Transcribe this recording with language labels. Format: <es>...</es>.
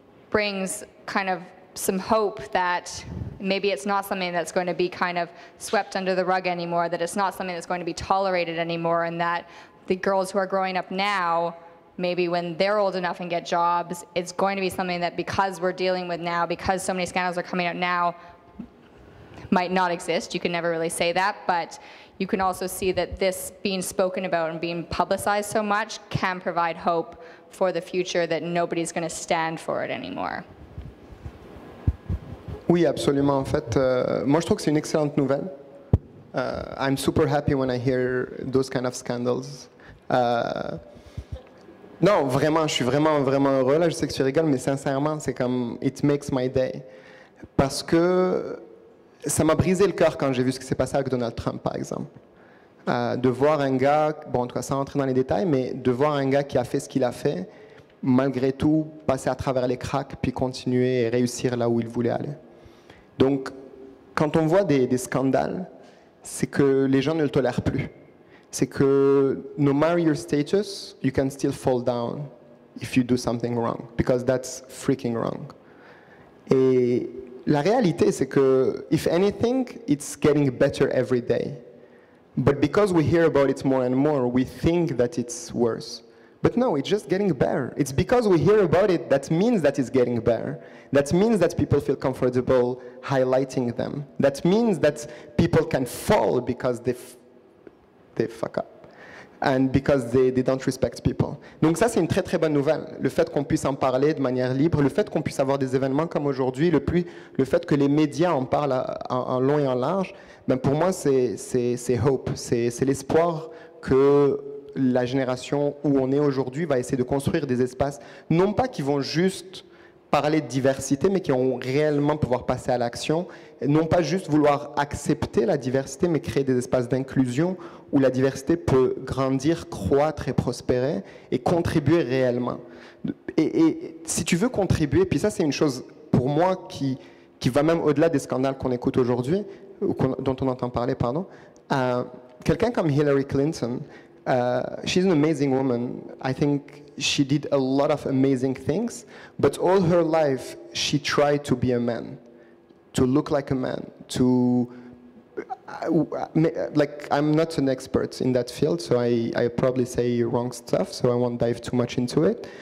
<en>brings kind of some hope that maybe it's not something that's going to be kind of swept under the rug anymore, that it's not something that's going to be tolerated anymore, and that the girls who are growing up now, maybe when they're old enough and get jobs, it's going to be something that, because we're dealing with now, because so many scandals are coming out now, might not exist. You can never really say that, but you can also see that this being spoken about and being publicized so much can provide hope for the future, that nobody's going to stand for it anymore.</en> <fr>Oui, absolument. En fait, moi, je trouve que c'est une excellente nouvelle.</fr> <en>I'm super happy when I hear those kind of scandals.</en> <fr>Non, vraiment, je suis vraiment, vraiment heureux. Là, je sais que tu rigoles, mais sincèrement, c'est comme</fr> <en>it makes my day.</en> <fr>Parce que ça m'a brisé le cœur quand j'ai vu ce qui s'est passé avec Donald Trump, par exemple. De voir un gars, bon, en tout cas, sans entrer dans les détails, mais de voir un gars qui a fait ce qu'il a fait, malgré tout, passer à travers les cracks, puis continuer et réussir là où il voulait aller. Donc, quand on voit des scandales, c'est que les gens ne le tolèrent plus. C'est que,</fr> <en>no matter your status, you can still fall down if you do something wrong, because that's freaking wrong.</en> <fr>Et la réalité, c'est que,</fr> <en>if anything, it's getting better every day. But because we hear about it more and more, we think that it's worse. But no, it's just getting better. It's because we hear about it, that means that it's getting better. That means that people feel comfortable highlighting them. That means that people can fall because they fuck up. and because they don't respect people.</en> <fr>Donc ça, c'est une très, très bonne nouvelle. Le fait qu'on puisse en parler de manière libre, le fait qu'on puisse avoir des événements comme aujourd'hui, le fait que les médias en parlent en long et en large, ben pour moi, c'est hope. C'est l'espoir que la génération où on est aujourd'hui va essayer de construire des espaces, non pas qui vont juste parler de diversité, mais qui vont réellement pouvoir passer à l'action, non pas juste vouloir accepter la diversité, mais créer des espaces d'inclusion où la diversité peut grandir, croître et prospérer et contribuer réellement. Et si tu veux contribuer, puis ça c'est une chose pour moi qui va même au-delà des scandales qu'on écoute aujourd'hui, ou dont on entend parler, pardon, quelqu'un comme Hillary Clinton,</fr> <en>she's an amazing woman. I think she did a lot of amazing things, but all her life she tried to be a man, to look like a man, to like, I'm not an expert in that field, so I probably say wrong stuff, so I won't dive too much into it.</en>